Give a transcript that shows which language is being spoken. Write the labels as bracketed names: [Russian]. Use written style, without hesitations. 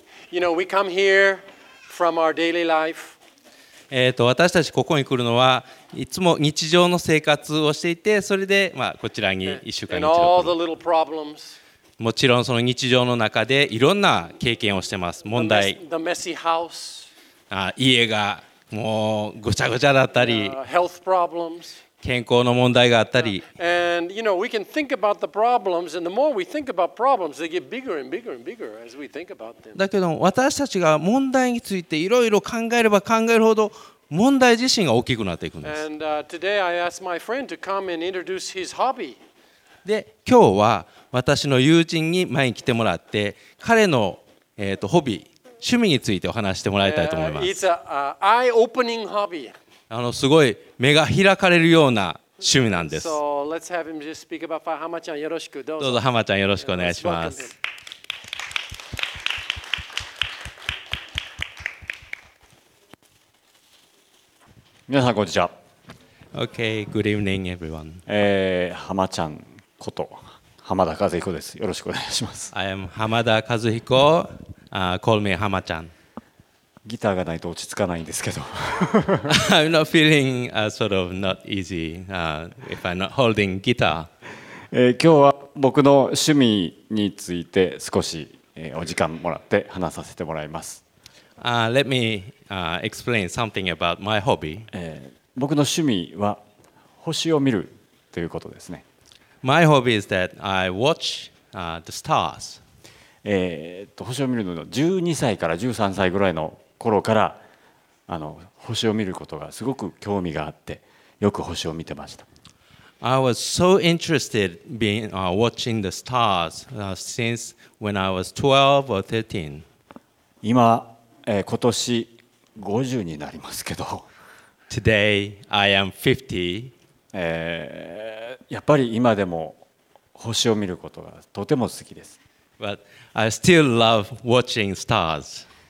[English] You know, we come here from our daily life. [Japanese] 私たちここに来るのはいつも日常の生活をしていて、それで、こちらに1週間に一度来る。もちろんその日常の中でいろんな経験をしてます。問題。 [English] The messy house. [Japanese] 家がもうごちゃごちゃだったり。 [English] Health problems. [Japanese] 健康の問題があったり、 [English] and you know we can think about the problems, and the more we think about problems, they get bigger and bigger and bigger as we think about them. [Japanese] だけど私たちが問題についていろいろ考えれば考えるほど問題自身が大きくなっていくんです。 [English] And today I asked my friend to come and introduce his hobby. [Japanese] で今日は私の友人に前に来てもらって彼のホビー趣味についてお話してもらいたいと思います。 [English] It's a eye-opening hobby. [Japanese] すごい目が開かれるような趣味なんです。どうぞ浜ちゃんよろしくお願いします。皆さんこんにちは。 [English] Okay, good evening, everyone. [Japanese] 浜ちゃんこと浜田和彦です。よろしくお願いします。 [English] I am 浜田和彦。Call me 浜ちゃん。 [Japanese] ギターがないと落ち着かないんですけど。 [English] I'm not feeling sort of not easy if I'm not holding guitar. [Japanese] 今日は僕の趣味について少し、お時間もらって話させてもらいます。 [English] Let me explain something about my hobby. [Japanese] 僕の趣味は星を見るということですね。 [English] My hobby is that I watch the stars. [Japanese] 星を見るのは12歳から13歳ぐらいの頃から星を見ることがすごく興味があってよく星を見てました。 [English] I was so interested being watching the stars since when I was 12 or 13. [Japanese] 今、今年50になりますけど。 [English] Today I am 50. [Japanese] やっぱり今でも星を見ることがとても好きです。 [English] But I still love watching stars.